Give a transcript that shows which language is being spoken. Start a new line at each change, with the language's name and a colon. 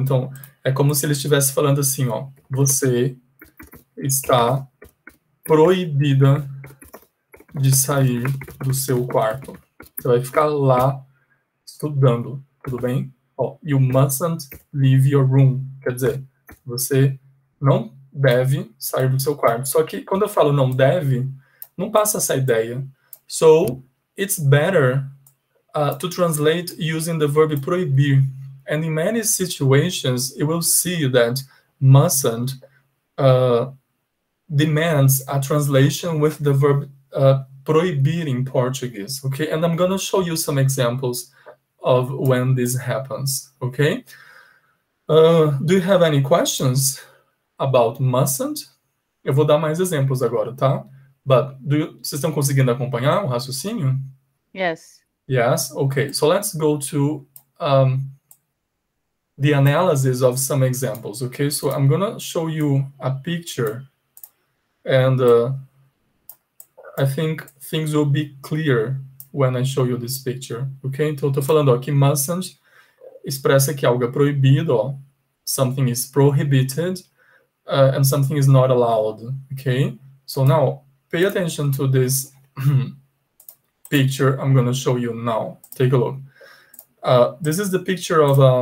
Portuguese: Então, é como se ele estivesse falando assim, ó, você está proibida de sair do seu quarto. Você vai ficar lá estudando, tudo bem?
English: Oh, you mustn't leave your room.
Portuguese: Quer dizer, você não deve sair do seu quarto. Só que quando eu falo não deve, não passa essa ideia.
English: So, it's better to translate using the verb proibir. And in many situations, you will see that mustn't demands a translation with the verb proibir in Portuguese, okay? And I'm gonna show you some examples of when this happens, okay? Do you have any questions about mustn't?
Portuguese: Eu vou dar mais exemplos agora, tá?
English: But do you,
Portuguese: vocês estão conseguindo acompanhar o raciocínio?
English: Yes. Yes? Okay, so let's go to the analysis of some examples, okay? So I'm gonna show you a picture and I think things will be clear when I show you this picture, okay?
Portuguese: Então, eu tô falando, ó, que mustn't expressa que algo é proibido, ó.
English: Something is prohibited and something is not allowed, okay? So now, pay attention to this picture I'm gonna show you now. Take a look. This is the picture of...